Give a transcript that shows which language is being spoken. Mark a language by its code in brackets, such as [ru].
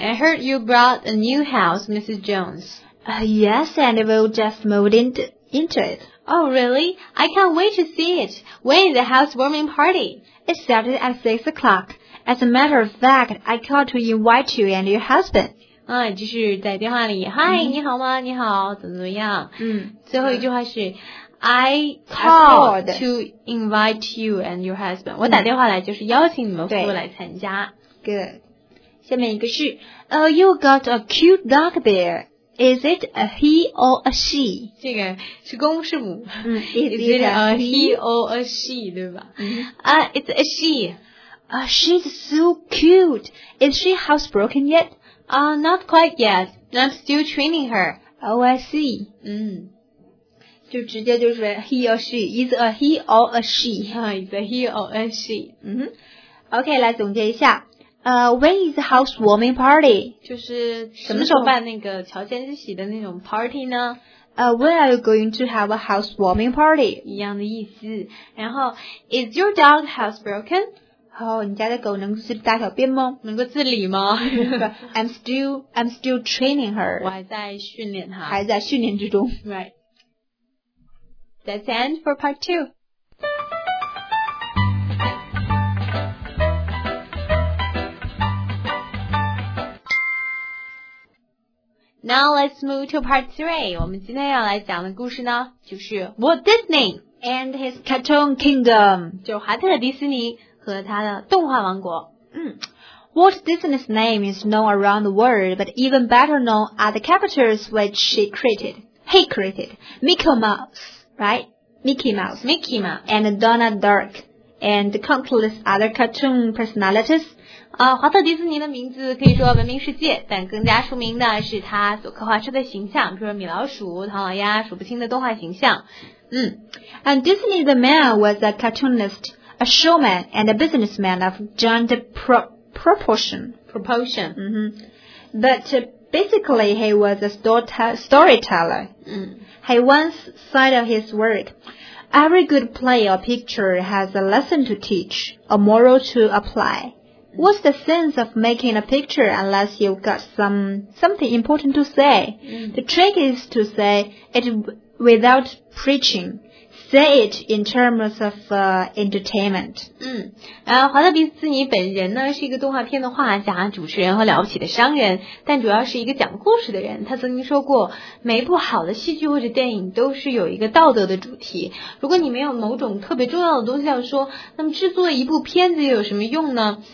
[en] I heard you brought a new house， Mrs. Jones。 Yes， and we just moved into it。 Oh really? I can't wait to see it. When is the housewarming party? It started at 6 o'clock. As a matter of fact, I called to invite you and your husband. [zh] 就是在电话里 ，Hi， 你好吗？你好，怎么样？最后一句话是 ，I [en] called to invite you and your husband. [zh] 我打电话来就是邀请你们夫妇来参加。 [en] Good. [zh] 下面一个是 [en] ，Oh, you got a cute dog there. Is it a he or a she? [zh] 这个是公是母。 [en] Is it a he or a she, [zh] 对吧？ [en] It's a she. She's so cute. Is she housebroken yet? Not quite yet. I'm still training her. Oh, I see. [zh] 就直接就是 [en] he or she. Is a he or a she? Is a he or a she. OK, [zh] 来总结一下。 [en] When is the housewarming party? [zh] 就是什么时候办那个乔迁之喜的那种 party 呢？ [en] When are you going to have a housewarming party? [zh] 一样的意思。然后 [en] Is your dog housebroken? [zh] 你家的狗能自大小便吗？能够自理吗？ [en] I'm still training her. [zh] 我还在训练她。还在训练之中。 [en] Right. That's the end for part two. Now let's move to part three. [zh] 我们今天要来讲的故事呢，就是 Walt Disney and his Cartoon Kingdom. 就华特迪斯尼和他的动画王国。 [en] Walt Disney's name is known around the world, but even better known are the characters which he created. Mickey Mouse, right? Mickey Mouse. And Donald Duck. And countless other cartoon personalities. [zh] 华特迪斯尼的名字可以说闻名世界，但更加出名的是他所刻画出的形象，比如米老鼠、唐老鸭、数不清的动画形象。 [en] And Disney the man was a cartoonist, a showman, and a businessman of giant proportion. Proportion. But basically, he was a storyteller. He once said of his work,Every good play or picture has a lesson to teach, a moral to apply. What's the sense of making a picture unless you've got something important to say? The trick is to say it without preaching. Say it in terms of entertainment. [zh] 华特迪斯尼本人呢是一个动画片的画家、主持人和了不起的商人，但主要是一个讲故事的人。他曾经说过，每一部好的戏剧或者电影都是有一个道德的主题。如果你没有某种特别重要的东西要说，那么制作一部片子又有什么用呢？